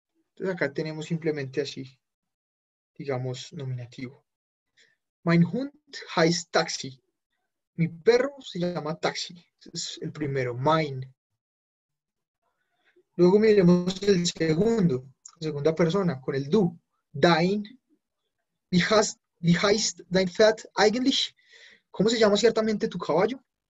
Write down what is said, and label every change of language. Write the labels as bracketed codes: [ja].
[es] Entonces, acá tenemos simplemente así, digamos, nominativo. [de] Mein Hund heißt Taxi. [es] Mi perro se llama Taxi. Es el primero, mine. Luego miremos el segundo, segunda persona, con el du. [de] Dein. Wie heißt dein Pferd eigentlich? [es] ¿Cómo se llama ciertamente tu caballo?